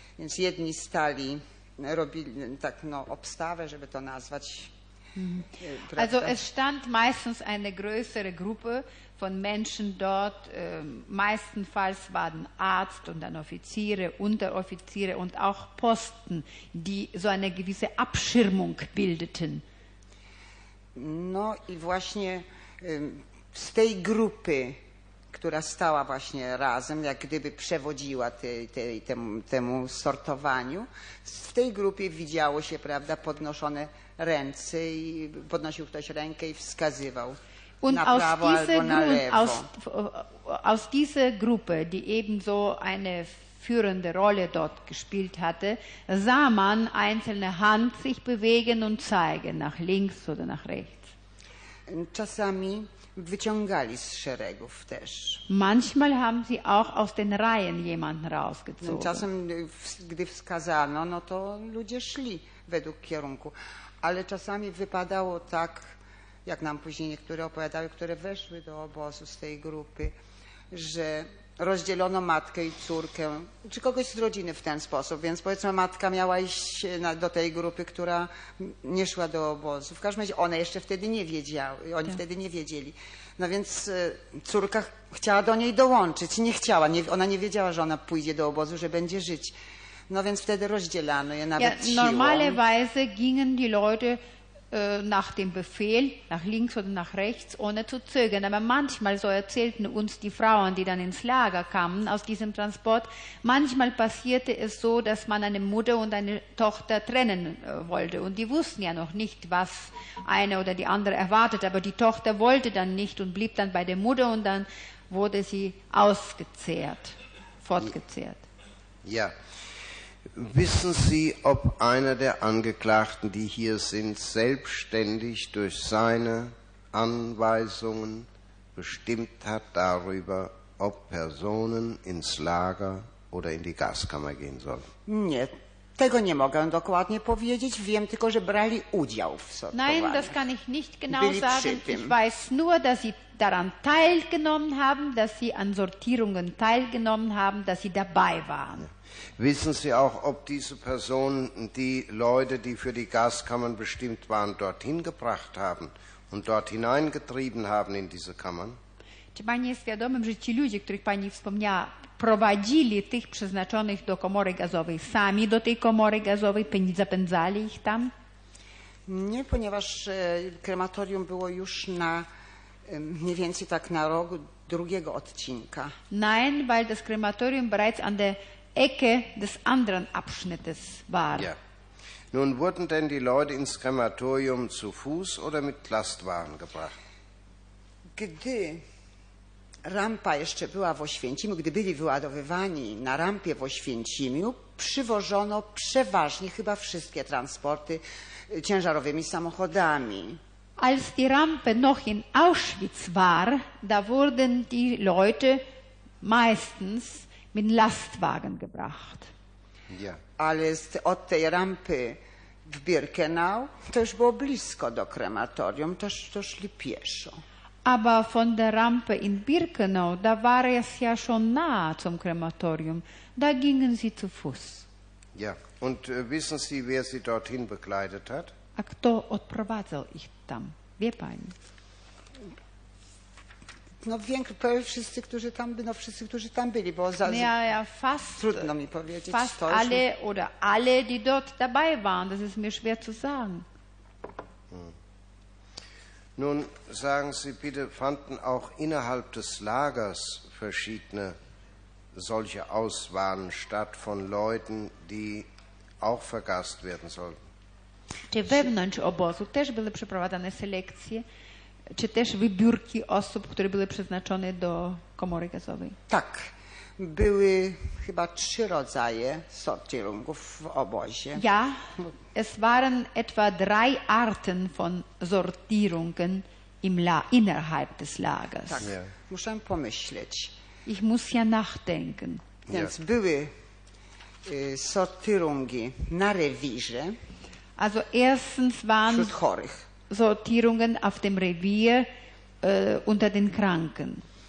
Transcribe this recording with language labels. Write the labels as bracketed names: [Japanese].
[Polish] Więc jedni stali, robili tak, no, obstawę, żeby to nazwać. Prawda? [German] Also es stand meistens eine größere Gruppe von Menschen dort. Meistenfalls waren Arzt und dann Offiziere, Unteroffiziere und auch Posten, die so eine gewisse Abschirmung bildeten. [Polish] No i właśnie z tej grupy, która stała właśnie razem, jak gdyby przewodziła temu sortowaniu. W tej grupie widziało się, prawda, podnoszone ręce i podnosił ktoś rękę i wskazywał [German] und [Polish] na prawo albo na lewo. [German] Aus dieser Gruppe, die eben so eine führende Rolle dort gespielt hatte, sah man einzelne Hand sich bewegen und zeigen, nach links oder nach rechts. [Polish] Czasami wyciągali z szeregów też. [German] Manchmal haben sie auch aus den Reihen jemanden rausgezogen. [Polish] Czasem, gdy wskazano, no to ludzie szli według kierunku. Ale czasami wypadało tak, jak nam później niektóre opowiadały, które weszły do obozu z tej grupy, że rozdzielono matkę i córkę, czy kogoś z rodziny w ten sposób. Więc powiedzmy, matka miała iść do tej grupy, która nie szła do obozu. W każdym razie one jeszcze wtedy nie wiedziały, oni tak wtedy nie wiedzieli. No więc córka chciała do niej dołączyć, nie chciała. Nie, ona nie wiedziała, że ona pójdzie do obozu, że będzie żyć. No więc wtedy rozdzielano je nawet siłą. [German] Normalerweise gingen die Leute nach dem Befehl, nach links oder nach rechts, ohne zu zögern. Aber manchmal, so erzählten uns die Frauen, die dann ins Lager kamen aus diesem Transport, manchmal passierte es so, dass man eine Mutter und eine Tochter trennen wollte. Und die wussten ja noch nicht, was eine oder die andere erwartet. Aber die Tochter wollte dann nicht und blieb dann bei der Mutter und dann wurde sie ausgezehrt, fortgezehrt. Ja. Wissen Sie, ob einer der Angeklagten, die hier sind, selbstständig durch seine Anweisungen bestimmt hat darüber, ob Personen ins Lager oder in die Gaskammer gehen sollen? [Polish] Nie, tego nie mogę dokładnie powiedzieć. Wiem tylko, że brali udział w sortowaniu. [German] Nein, das kann ich nicht genau sagen. Ich weiß nur, dass sie daran teilgenommen haben, dass sie an Sortierungen teilgenommen haben, dass sie dabei waren. Wissen Sie auch, ob diese Personen die Leute, die für die Gaskammern bestimmt waren, dorthin gebracht haben und dort hineingetrieben haben in diese Kammern? [Polish] Czy pani jest świadoma, że ci ludzie, których pani wspomniała, prowadzili tych przeznaczonych do komory gazowej sami do tej komory gazowej, zapędzali ich tam? Nie, ponieważ krematorium było już na mniej więcej tak na rogu drugiego odcinka. [German] Nein, weil das Krematorium bereits an der Ecke des anderen Abschnittes war. Ja. Nun, wurden denn die Leute ins Krematorium zu Fuß oder mit Lastwagen gebracht? [Polish] Gdy rampa jeszcze była w Oświęcimiu, gdy byli wyładowywani na rampie w Oświęcimiu, przywożono przeważnie chyba wszystkie transporty ciężarowymi samochodami. [German] Als die Rampe noch in Auschwitz war, da wurden die Leute meistens mit Lastwagen gebracht. Ja. [Polish] Ale od tej rampy w Birkenau to już było blisko do krematorium, to szli pieszo. [German] Aber von der Rampe in Birkenau, da war es ja schon nah zum Krematorium, da gingen sie zu Fuß. Ja, und wissen Sie, wer sie dorthin begleitet hat? [Polish] A kto odprowadzał ich tam? Wie pani? No większość wszyscy, którzy tam byli, bo za [German] fast, [Polish] trudno mi powiedzieć. [German] Fast alle oder alle, die dort dabei waren, das ist mir schwer zu sagen. Nun sagen Sie bitte, fanden auch innerhalb des Lagers verschiedene solche Auswahlen statt von Leuten, die auch vergast werden sollten? [Polish] Czy wewnątrz obozu też były przeprowadzane selekcje, czy też wybiórki osób, które były przeznaczone do komory gazowej? Tak. Były chyba trzy rodzaje sortierungów w obozie. [German] Ja, es waren etwa drei Arten von Sortierungen innerhalb des Lagers. [Polish] Tak, muszę pomyśleć. [German] Ich muss ja nachdenken. [Polish] Więc były sortierungi na rewirze. [German] Also erstens waren Sortierungen auf dem Revier unter den Kranken.